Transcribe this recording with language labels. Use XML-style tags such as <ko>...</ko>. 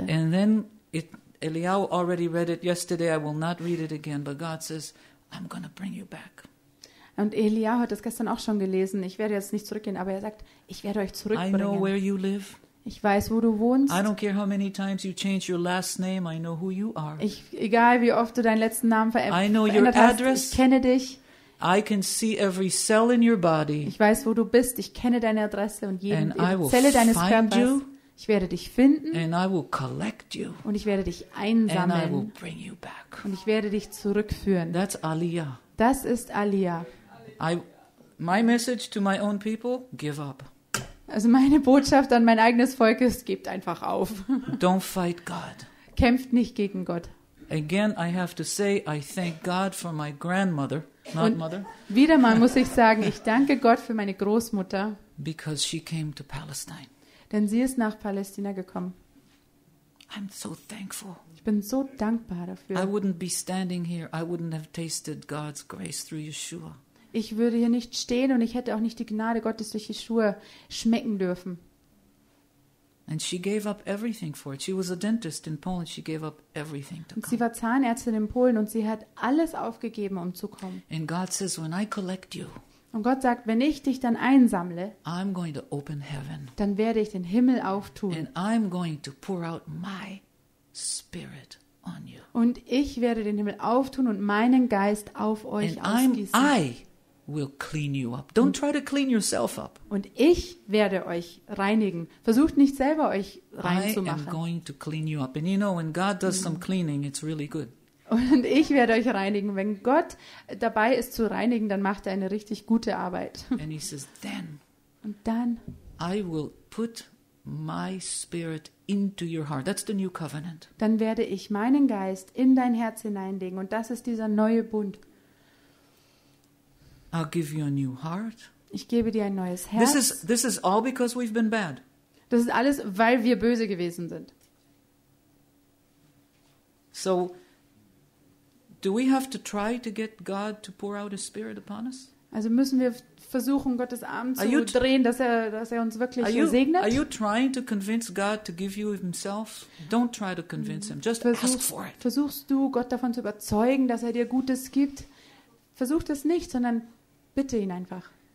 <en>And then Eliyahu already read it yesterday. I will not read it again. But God says, I'm going to bring you back.</en> <de>Und Elia hat das gestern auch schon gelesen. Ich werde jetzt nicht zurückgehen, aber er sagt, ich werde euch zurückbringen.</de> <en>I know where you live.</en> <de>Ich weiß, wo du wohnst.</de> <en>I don't care how many times you change your last name, I know who you are.</en> <de>Egal wie oft du deinen letzten Namen verändert hast,</de> <en>I know your address.</en> <de>Ich kenne dich.</de> <en>I can see every cell in your body.</en> <de>Ich weiß, wo du bist. Ich kenne deine Adresse und jede Zelle deines Körpers. Ich werde dich finden.</de> <en>And I will collect you.</en> <de>Und ich werde dich einsammeln.</de> <en>And I will bring you back.</en> <de>Und ich werde dich zurückführen.</de> <en>That's Aliyah.</en> <de>Das ist Aliyah.</de> <en>My message to my own people, give up.</en> <de>Also meine Botschaft an mein eigenes Volk ist, gebt einfach auf.</de> <en>Don't fight God.</en> <de>Kämpft nicht gegen Gott.</de> <en>Again, I have to say, I thank God for my grandmother, not</en> <de>Und</de> <en>mother.</en> <de>Wieder mal muss ich sagen, ich danke Gott für meine Großmutter.</de> <en>Because she came to Palestine.</en> <de>Denn sie ist nach Palästina gekommen.</de> <en>I'm so thankful.</en> <de>Ich bin so dankbar dafür.</de> <en>I wouldn't be standing here. I wouldn't have tasted God's grace through Yeshua.</en> <de>Ich würde hier nicht stehen und ich hätte auch nicht die Gnade Gottes durch Yeshua schmecken dürfen.</de> <en>And she gave up everything for it. She was a dentist in Poland. She gave up everything to come.</en> <de>Und sie war Zahnärztin in Polen und sie hat alles aufgegeben, um zu kommen.</de> <en>And God says, when I collect you,</en> <de>und Gott sagt, wenn ich dich dann einsammle,</de> <en>I'm going to open heaven,</en> <de>dann werde ich den Himmel auftun.</de> <en>And I'm going to pour out my spirit on you.</en> <de>Und ich werde den Himmel auftun und meinen Geist auf euch</de> <en>and</en> <de>ausgießen.</de> <en>Will clean you up. Don't try to clean yourself up.</en> <de>Und ich werde euch reinigen. Versucht nicht selber euch reinzumachen.</de> <en>I am going to clean you up. And you know, when God does some cleaning, it's really good.</en> <de>Und ich werde euch reinigen. Wenn Gott dabei ist zu reinigen, dann macht er eine richtig gute Arbeit.</de> <en>And he says, then.</en> <de>Und dann.</de> <en>I will put my spirit into your heart. That's the new covenant.</en> <de>Dann werde ich meinen Geist in dein Herz hineinlegen. Und das ist dieser neue Bund.</de> <en>I'll give you a new heart.</en> <de>Ich gebe dir ein neues Herz.</de> <en>This is all because we've been bad.</en> <de>Das ist alles, weil wir böse gewesen sind.</de> <en>So, do we have to try to get God to pour out His Spirit upon us?</en> <de>Also müssen wir versuchen, Gottes Arm zu drehen, dass er uns wirklich segnet?</de> <en>Are you trying to convince God to give you Himself? Don't try to convince Him. Just ask for it.</en> <de>Versuchst du, Gott davon zu überzeugen, dass er dir Gutes gibt? Versuch das nicht, sondern bitte ihn einfach.</de>